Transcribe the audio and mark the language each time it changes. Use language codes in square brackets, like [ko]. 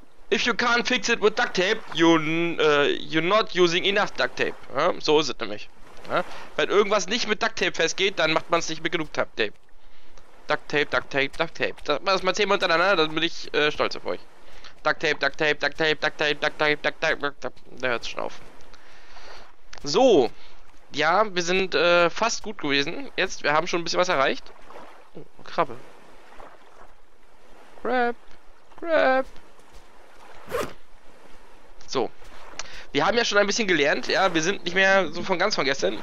[en] If you can't fix it with duct tape, you're not using enough duct tape. [de] Ja, so ist es nämlich. Ja, wenn irgendwas nicht mit duct tape festgeht, dann macht man es nicht mit genug duct tape. [en] Duct tape, duct tape, duct tape. [de] Das machen wir mal 10 Mal untereinander, dann bin ich stolz auf euch. [en] Duct tape, duct tape, duct tape, duct tape, duct tape, duct tape, duct tape. [de] Da hört es schon auf. So. Ja, wir sind fast gut gewesen. Jetzt, wir haben schon ein bisschen was erreicht. Oh, Krabbe. [en] Crab. Crab. [de] So. Wir haben ja schon ein bisschen gelernt. Ja, wir sind nicht mehr so von ganz von gestern.